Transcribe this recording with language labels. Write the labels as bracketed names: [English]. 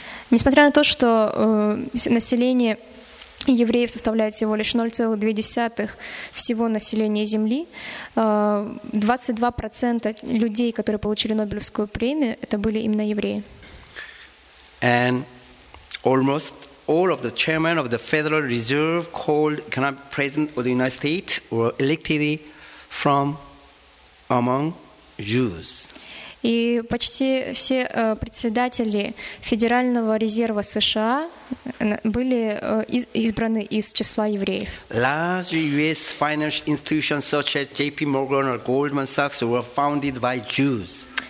[Russian] Несмотря на то, что население евреев составляет всего лишь 0,2% всего населения Земли, 22% людей, которые получили Нобелевскую премию, это были именно евреи. [English] And almost all of the chairmen of the Federal Reserve called economic president of the United States were elected from among Jews. [Russian] И почти все председатели Федерального резерва США были избраны из числа евреев. [English] Large US financial institutions such as JP Morgan or Goldman Sachs were founded by Jews.